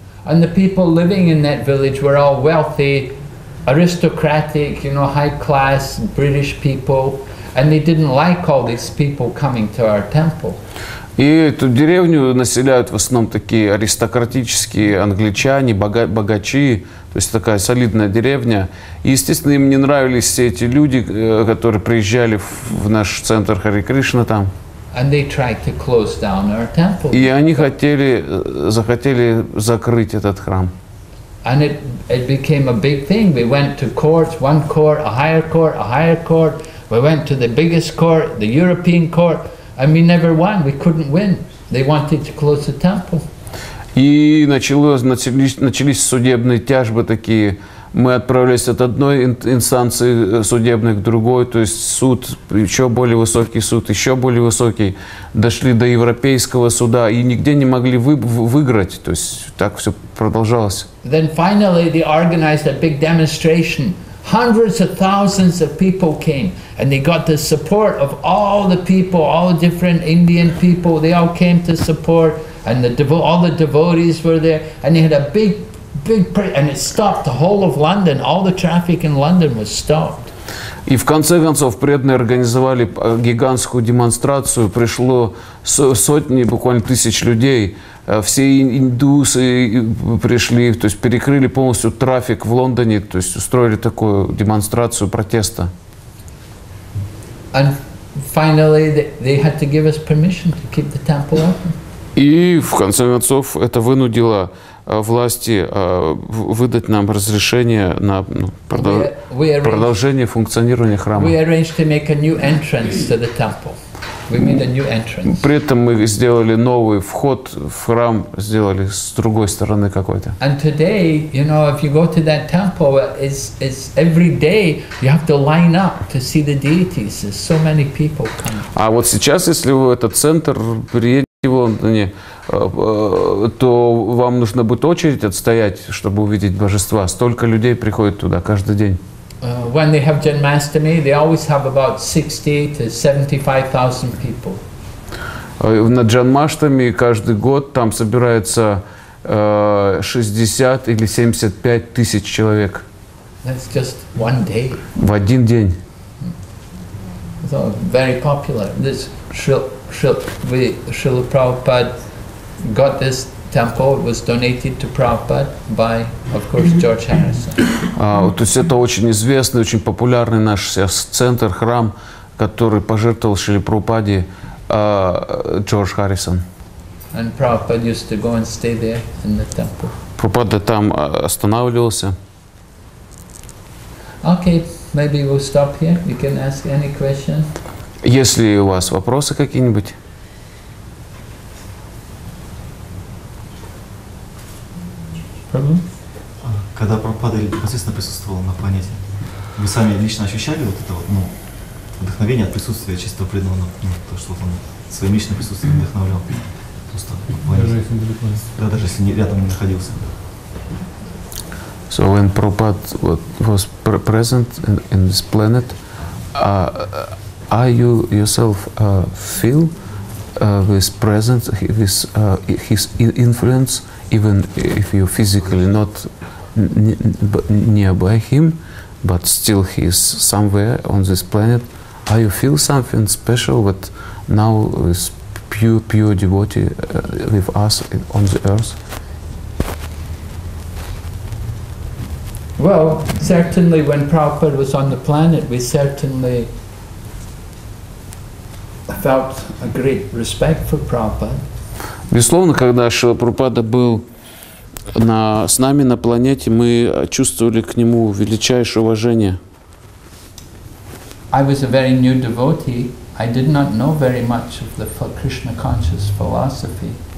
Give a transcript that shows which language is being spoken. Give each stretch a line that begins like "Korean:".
English: And the people living in that village were all wealthy, aristocratic, you know, high class British people. And they didn't like all these people coming to our temple.
Russian: И эту деревню населяют в основном такие аристократические англичане, богачи. То есть такая солидная деревня. И, естественно, им не нравились все эти люди, которые приезжали в наш центр Хари Кришна там.
English: And they tried to close down our temple.
Russian: И они захотели закрыть этот храм.
English: And it became a big thing. We went to courts, one court, a higher court. We went to the biggest court, the European court, and we never won. We couldn't win. They wanted to close the temple.
Russian: И начались судебные тяжбы такие. Мы отправились от одной инстанции судебной к другой, то есть суд, еще более высокий, дошли до Европейского суда и нигде не могли выиграть, то есть так все продолжалось.
English: Then finally they organized a big demonstration. Hundreds of thousands of people came, and they got the support of all the people, all the different Indian people, they all came to support, and all the devotees were there, and they had a big, and it stopped the whole of London. All the traffic in London was stopped.
Russian: И в конце концов преданные организовали гигантскую демонстрацию. Пришло сотни, буквально тысяч людей. Все индусы пришли, то есть перекрыли полностью трафик в Лондоне, то есть устроили такую демонстрацию протеста.
English: And finally, they had to give us permission to keep the temple open.
Russian: И в конце концов это вынудило власти выдать нам разрешение на продолжение функционирования храма.
English: We arranged to make a new entrance to the temple. We made a new entrance.
Russian: При этом мы сделали новый вход в храм, сделали с другой стороны какой-то.
English: And today, you know, if you go to that temple, it's every day you have to line up to see the deities. There's so many people coming.
Russian: А вот сейчас, если вы в этот центр приедете, в Лондоне, то вам нужно будет очередь отстоять, чтобы увидеть божества. Столько людей приходит туда каждый день.
English: When they have Janmashtami, they always have about 60 to 75,000 people.
Russian: На Janmashtami каждый год там собирается 60 или 75 тысяч человек.
English: That's just one day.
Russian: В один день.
English: So very popular. Srila Prabhupada got this temple. It was donated to Prabhupada by, of course, George Harrison.
Russian: То есть это очень известный, очень популярный наш центр, храм, который пожертвовал Шриле Прабхупаде Джордж Харрисон.
English: And Prabhupada used to go and stay there in the temple.
Russian: Прабхупада там останавливался.
English: Okay, maybe we'll stop here. You can ask any question.
Russian: Если у вас вопросы какие-нибудь... Когда Прабхупада непосредственно присутствовал на планете, вы сами лично ощущали вот это вот, ну, вдохновение от присутствия чистого преданного, ну, то, что он своим личным присутствием вдохновлял просто на планете? Даже если не рядом не находился.
English: So when Prabhupada was present in this planet, are you yourself feel with presence, with his influence, even if you physically not nearby him, but still he is somewhere on this planet? Are you feel something special that now with pure devotee with us on the earth? Well, certainly when Prabhupada was on the planet, we certainly felt a great respect for Prabhupada.
Russian: Безусловно, когда Шрила Прабхупада был с нами на планете, мы чувствовали к нему величайшее уважение.
English: I was a very new devotee. I did not know very much of the Krishna conscious philosophy.